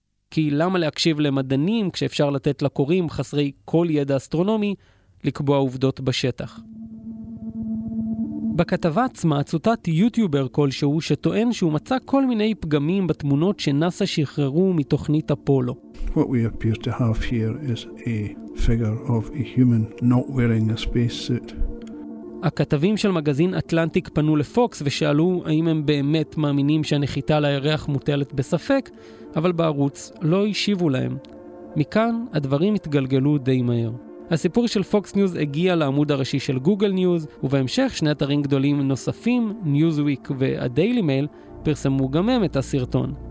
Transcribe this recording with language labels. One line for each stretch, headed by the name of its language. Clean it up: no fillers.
Hebrew: כי למה להקשיב למדענים כשאפשר לתת לקוראים חסרי כל ידע אסטרונומי לקבוע עובדות בשטח? בכתבה עצמה צוטט יוטיובר כלשהו שטוען שהוא מצא כל מיני פגמים בתמונות שנאסה שחררו מתוכנית אפולו.
English: What we appear to have here is a figure of a human not wearing a space suit.
Hebrew: הכתבים של מגזין אטלנטיק פנו לפוקס ושאלו האם הם באמת מאמינים שהנחיתה לירח מוטלת בספק, אבל בערוץ לא השיבו להם. מכאן הדברים התגלגלו די מהר. הסיפור של פוקס ניוז הגיע לעמוד הראשי של גוגל ניוז, ובהמשך שני אתרים גדולים נוספים, ניוזוויק והדיילי מייל, פרסמו גם הם את הסרטון.